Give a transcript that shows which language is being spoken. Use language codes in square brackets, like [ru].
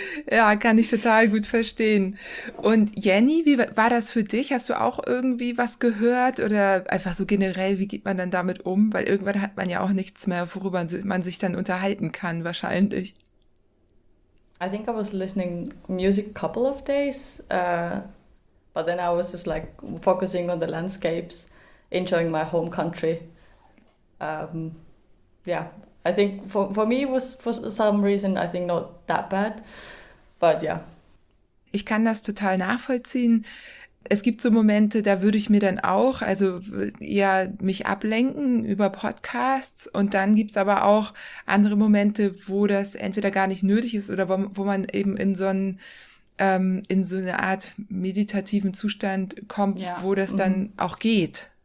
[de] Ja, kann ich total gut verstehen. Und Jenny, wie war das für dich? Hast du auch irgendwie was gehört oder einfach so generell, wie geht man dann damit um? Weil irgendwann hat man ja auch nichts mehr, worüber man sich dann unterhalten kann wahrscheinlich. [en] I think I was listening music a couple of days, but then I was just like focusing on the landscapes, enjoying my home country. I think for me it was for some reason I think not that bad, but yeah. [de] Ich kann das total nachvollziehen. Es gibt so Momente, da würde ich mir dann auch, also eher mich ablenken über Podcasts und dann gibt es aber auch andere Momente, wo das entweder gar nicht nötig ist oder wo man eben in so einen, in so eine Art meditativen Zustand kommt, wo das dann auch geht.